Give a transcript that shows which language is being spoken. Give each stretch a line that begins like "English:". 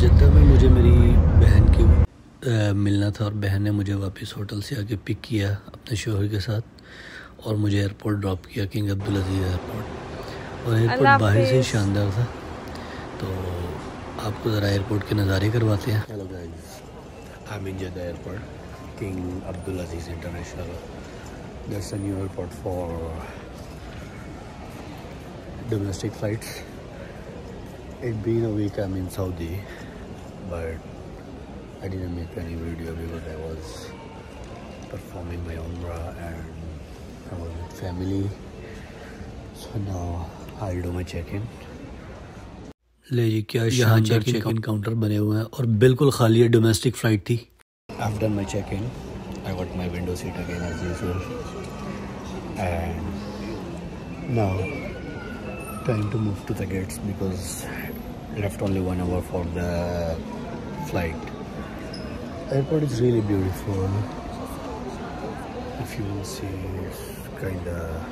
Urdu: Jeddah میں مجھے میری بہن کی ملنا تھا, اور بہن نے مجھے واپس ہوٹل سے آ کے پک کیا اپنے شوہر کے ساتھ, اور مجھے ایئرپورٹ ڈراپ کیا کنگ عبدالعزیز ایئرپورٹ. اور ایئرپورٹ باہر سے شاندار تھا, تو آپ کو ذرا ایئرپورٹ کے نظارے کرواتے ہیں.
English: I'm in Jeddah Airport, King Abdulaziz International. That's a new airport for domestic flights. It's been a week I'm in Saudi, but I didn't make any video because I was performing my Umrah and I was with family. So now I'll do my check-in.
Urdu: لے جی, کیا یہاں check ان counter بنے ہوئے ہیں اور بالکل خالی ہے. ڈومیسٹک فلائٹ تھی.
English: I've done my check-in. I got my window seat again as usual. And now, time to move to the gates because left only 1 hour for the flight. Airport is really beautiful. If you will see, it's kind of...